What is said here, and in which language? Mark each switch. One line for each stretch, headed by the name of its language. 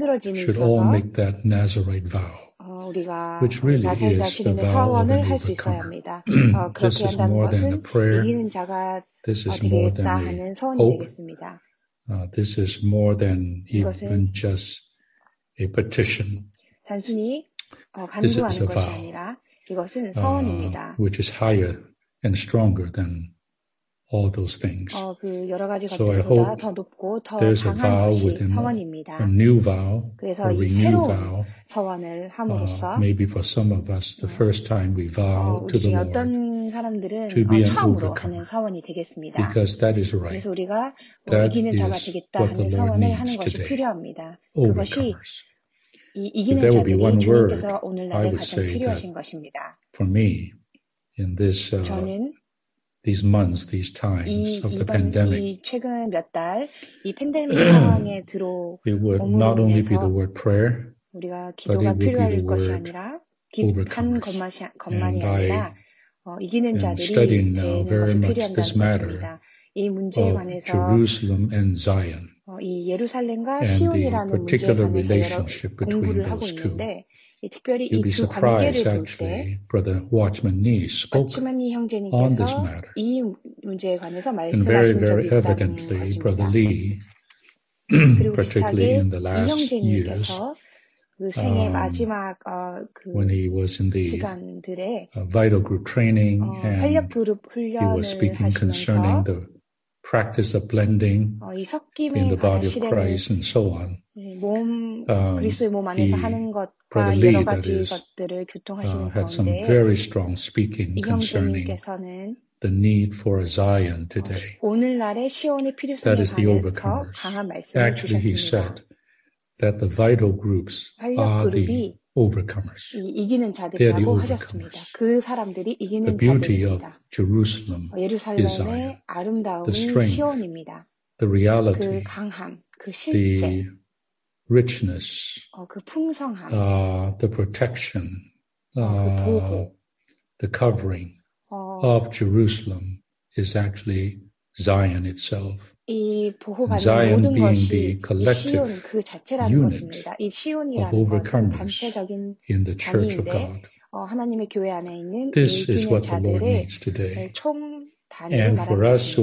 English: we should all make that Nazarite vow, which really is the vow of a new becomer. This is more than a prayer. This is more than a hope. This is more than even just a petition.
Korean: 단순히 간구하는 것이 아니라 이것은 서원입니다.
English: Which is higher and stronger than all those things.
Korean: 그 여러 가지 것들보다 더 높고 더 강한 것이 서원입니다.
English: A new vow, a renewed vow.
Korean: 서원을 함으로써
English: maybe for some of us the first time we vow to the Lord.
Korean: 어떤 사람들은
English: to be an overcomer. Because that is right.
Korean: 그래서 우리가 이기는 자가 되겠다는 서원을 하는 것이 필요합니다. 그것이 이기는 자에게 주님께서 오늘날에 가장 필요하신 것입니다.
English: For me in this these months, these times of the pandemic.
Korean: 최근 몇 달 이 팬데믹 상황에
English: it would not only be the word prayer,
Korean: 우리가 기도가 필요할 것이 아니라 기도한 것만이 아니라 이기는 자들이 되는 것이 필요한다는 것입니다. 이 문제에 관해서
English: Jerusalem and Zion,
Korean: 이 예루살렘과 시온이라는 문제에 관해서 공부를 하고 있는데 특별히 이 두 관계를 볼 때 왓츠만니 형제님께서 이 문제에 관해서 말씀하신 적이 있다는 것입니다. 그리고 비슷하게 이 형제님께서 생애 마지막
English: when he was in the
Korean: 시간들에
English: vital group training and
Korean: 활력 그룹 훈련을
English: he was speaking concerning the practice of blending in the body of Christ and so on.
Korean: 그리스도의 몸 안에서 하는 것과 여러 가지 것들을 교통하시는 가운데 이 형제님께서는
English: the need for a Zion today.
Korean: 오늘날의 시온이 필요성에
English: that is the
Korean: 관해서 강한 말씀을 주셨습니다.
English: Actually, he said that the vital groups are the overcomers. They are the overcomers. The beauty of Jerusalem is Zion. The strength, the reality, the richness, the protection, the covering of Jerusalem is actually Zion itself.
Korean: 이 보호받는 모든 것이 이 시온 그 자체라는 것입니다. 이 시온이라는 것은 단체적인 단위인데 하나님의 교회 안에 있는
English: this
Korean: 이 기능 자들의 총 단위를 말합니다.